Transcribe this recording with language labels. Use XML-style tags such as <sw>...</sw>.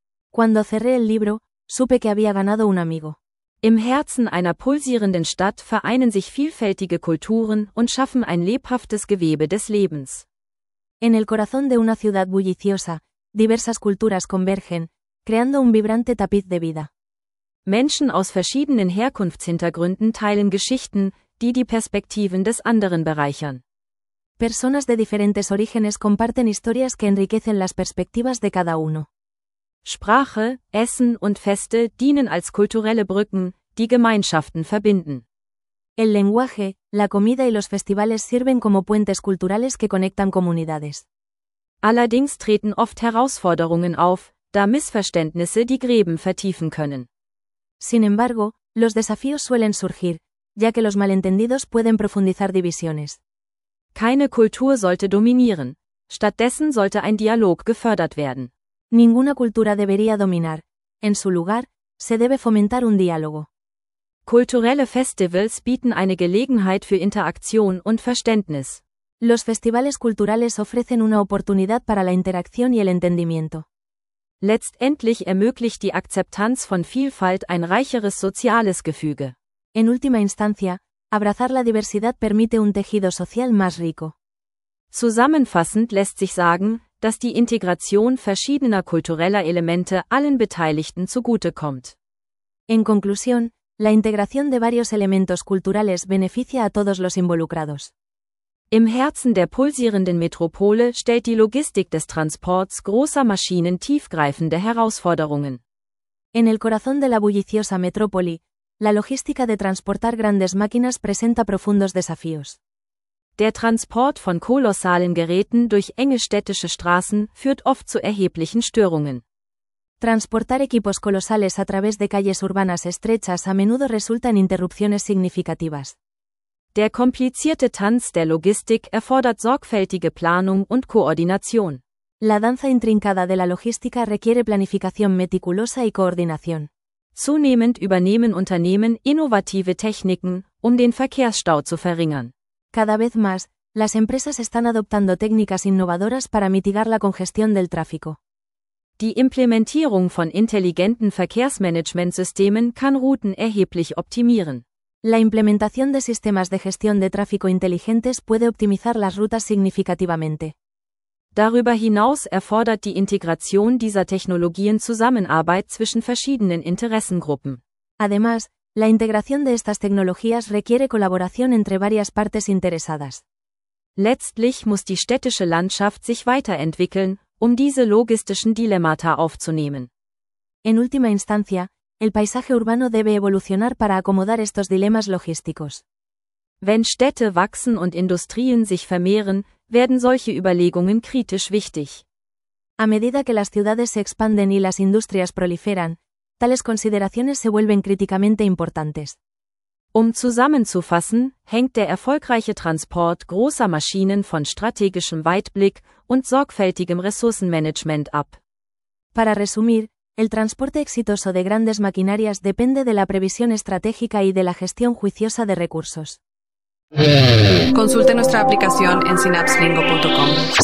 <es>Cuando cerré el libro, supe que había ganado un amigo.</es> <de>Im Herzen einer pulsierenden Stadt vereinen sich vielfältige Kulturen und schaffen ein lebhaftes Gewebe des Lebens.</de> <es>En el corazón de una ciudad bulliciosa, diversas culturas convergen, creando un vibrante tapiz de vida.</es> <de>Menschen aus verschiedenen Herkunftshintergründen teilen Geschichten, die die Perspektiven des anderen bereichern.</de> <es>Personas de diferentes orígenes comparten historias que enriquecen las perspectivas de cada uno.</es> <de>Sprache, Essen und Feste dienen als kulturelle Brücken, die Gemeinschaften verbinden.</de> <es>El lenguaje, la comida y los festivales sirven como puentes culturales que conectan comunidades.</es> <de>Allerdings treten oft Herausforderungen auf, da Missverständnisse die Gräben vertiefen können.</de> <es>Sin embargo, Los desafíos suelen surgir, ya que los malentendidos pueden profundizar divisiones.</es> <de>Keine Kultur sollte dominieren. Stattdessen sollte ein Dialog gefördert werden.</de> <es>Ninguna cultura debería dominar. En su lugar, se debe fomentar un diálogo.</es> <de>Kulturelle Festivals bieten eine Gelegenheit für Interaktion und Verständnis.</de> <es>Los festivales culturales ofrecen una oportunidad para la interacción y el entendimiento.</es> <de>Letztendlich ermöglicht die Akzeptanz von Vielfalt ein reicheres soziales Gefüge.</de> <es>En última instancia, abrazar la diversidad permite un tejido social más rico.</es> <de>Zusammenfassend lässt sich sagen, dass die Integration verschiedener kultureller Elemente allen Beteiligten zugutekommt.</de> <es>En conclusión, la integración de varios elementos culturales beneficia a todos los involucrados.</es> <de>Im Herzen der pulsierenden Metropole stellt die Logistik des Transports großer Maschinen tiefgreifende Herausforderungen.</de> <es>En el corazón de la bulliciosa metrópoli, la logística de transportar grandes máquinas presenta profundos desafíos.</es> <de>Der Transport von kolossalen Geräten durch enge städtische Straßen führt oft zu erheblichen Störungen.</de> <es>Transportar equipos colosales a través de calles urbanas estrechas a menudo resulta en interrupciones significativas.</es> <de>Der komplizierte Tanz der Logistik erfordert sorgfältige Planung und Koordination.</de> <es>La danza intrincada de la logística requiere planificación meticulosa y coordinación.</es> <de>Zunehmend übernehmen Unternehmen innovative Techniken, um den Verkehrsstau zu verringern.</de> <es>Cada vez más, las empresas están adoptando técnicas innovadoras para mitigar la congestión del tráfico.</es> <de>Die Implementierung von intelligenten Verkehrsmanagementsystemen kann Routen erheblich optimieren.</de> <es>La implementación de sistemas de gestión de tráfico inteligentes puede optimizar las rutas significativamente.</es> <de>Darüber hinaus erfordert die Integration dieser Technologien Zusammenarbeit zwischen verschiedenen Interessengruppen.</de> <es>Además, la integración de estas tecnologías requiere colaboración entre varias partes interesadas.</es> <de>Letztlich muss die städtische Landschaft sich weiterentwickeln, um diese logistischen Dilemmata aufzunehmen.</de> <es>En última instancia, el paisaje urbano debe evolucionar para acomodar estos dilemas logísticos.</es> <de>Wenn Städte wachsen und Industrien sich vermehren, werden solche Überlegungen kritisch wichtig.</de> <es>A medida que las ciudades se expanden y las industrias proliferan, tales consideraciones se vuelven críticamente importantes.</es> <de>Um zusammenzufassen, hängt der erfolgreiche Transport großer Maschinen von strategischem Weitblick und sorgfältigem Ressourcenmanagement ab.</de> <es>Para resumir, el transporte exitoso de grandes maquinarias depende de la previsión estratégica y de la gestión juiciosa de recursos. Consulte nuestra aplicación en synapslingo.com.</es>